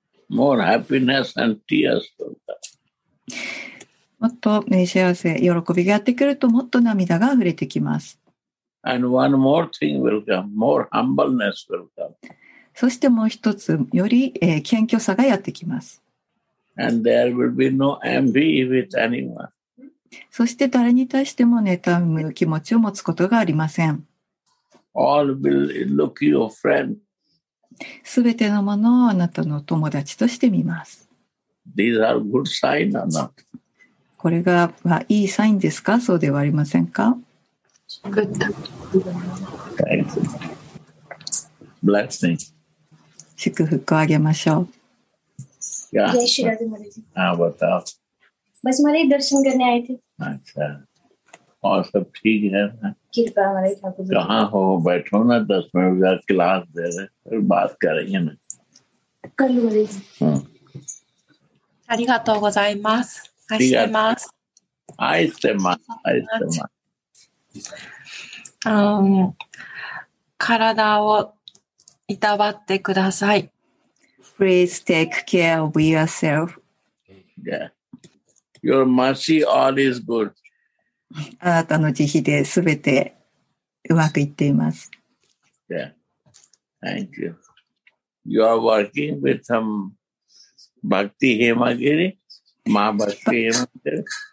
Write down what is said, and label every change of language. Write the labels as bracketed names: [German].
[English] More happiness and tears will come. [Japanese] もっと幸せ、喜びがやってくると、もっと涙が溢れてきます。 [English] And one more thing will come. More humbleness will come. [Japanese] そしてもう一つ、より、謙虚さがやってきます。 [English] And there will be no envy with anyone. [Japanese] そして誰に対しても妬む気持ちを持つことがありません。 [English] All will look your friend. [Japanese] すべてのものをあなたの友達として見ます。 [English] These are good signs or not? [Japanese] これが、まあ、いいサインですか？そうではありませんか？ [English] Good. Thank you. Blessing. [Japanese] 祝福をあげましょう。 [English] Yeah. Yes, she doesn't want to. Ah, what else? バスマレイドルシンガネアイティ。 [Japanese] あ、そう。Also, [English] please, [Hindi] कहाँ हो बैठो ना दस minute का class दे रहे फिर बात करेंगे ना कल मरीज [Japanese] ありがとうございます愛してます愛してます愛してます体をいたわってください [English] Please take care of yourself Yeah Your mercy all is good [Japanese] あなたの慈悲ですべてうまくいっています。 [English] Yeah. Thank you. You are working with some Bhakti Himagiri, Ma Bhakti Himagiri.